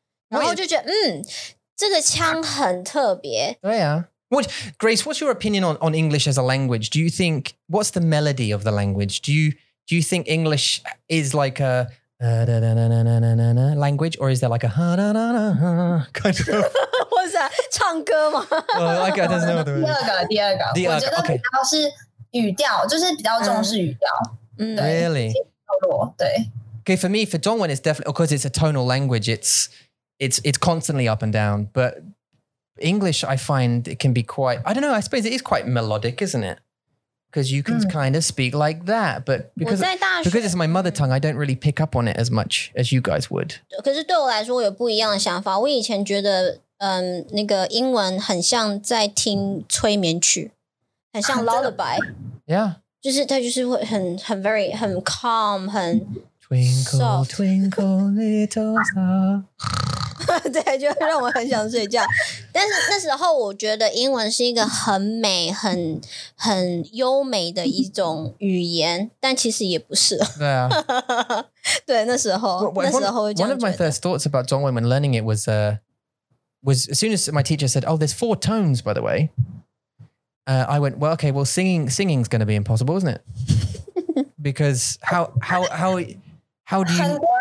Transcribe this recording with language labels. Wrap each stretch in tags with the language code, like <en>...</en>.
<zh>然后就觉得这个腔很特别。对啊。</zh> <en>Grace, what's your opinion on English as a language? Do you think, what's the melody of the language? Do you think English is like a language, or is there like a kind of... What's that?</en> <zh>唱歌吗?</zh> <en>Oh, like, I don't know what the word is.</en> <zh>第二个。我觉得比较是语调，就是比较重视语调。</zh> <en>Really?</en> <zh>对。</zh> <en>Okay, for me, for 中文, it's definitely, because it's a tonal language, it's constantly up and down, but English, I find it can be quite, I don't know, I suppose it is quite melodic, isn't it? Because you can kind of speak like that, but because it's my mother tongue, I don't really pick up on it as much as you guys would.</en> <zh>可是对我来说我有不一样的想法。我以前觉得那个英文很像在听催眠曲，很像 lullaby.</zh> <en>Yeah.</en> <zh>就是它就是会很</zh> <en>very,</en> <zh>很 calm, 很</zh> <en>twinkle, soft. Twinkle, little star.</en> <zh>对，就让我很想睡觉。但是那时候我觉得英文是一个很美、很优美的一种语言，但其实也不是。对啊，对，那时候</zh> <en>well,</en> <zh>那时候这样觉得。</zh> <en>One of my first thoughts about 中文 when learning it was as soon as my teacher said, "Oh, there's four tones, by the way." I went, "Well, okay, well, singing's going to be impossible, isn't it?" Because how do you?</en>